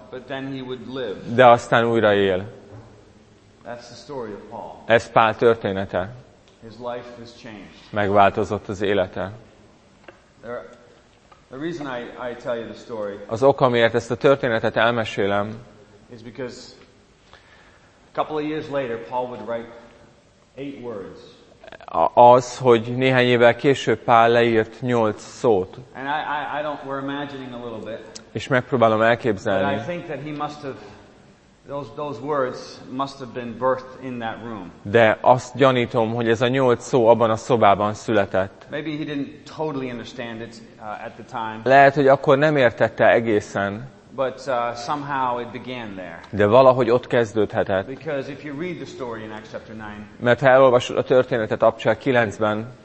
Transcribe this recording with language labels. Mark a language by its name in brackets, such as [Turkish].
[English] But then he would live. [Hungarian] De aztán újra él. [English] That's the story of Paul. [Hungarian] Ez Pál története. [English] His life has changed. [Hungarian] Megváltozott az élete. [English] The reason I tell you the story. [Hungarian] Az ok, amiért ezt a történetet elmesélem. [English] Is because a couple of years later Paul would write 8 words. [Hungarian] Az, hogy néhány évvel később Pál leírt 8 szót. [English] And I don't we're imagining a little bit. [Hungarian] És megpróbálom elképzelni. [English] But I think that he must have those words must have been birthed in that room. [Hungarian] De azt gyanítom, hogy ez a 8 szó abban a szobában született. [English] Maybe he didn't totally understand it at the time. [Hungarian] Lehet, hogy akkor nem értette egészen. [English] But somehow it began there. [Hungarian] De valahogy ott kezdődhetett. [English] Because if you read the story in Acts chapter 9. [Hungarian] Mert ha elolvasod a történetet Apcsák 9-ben.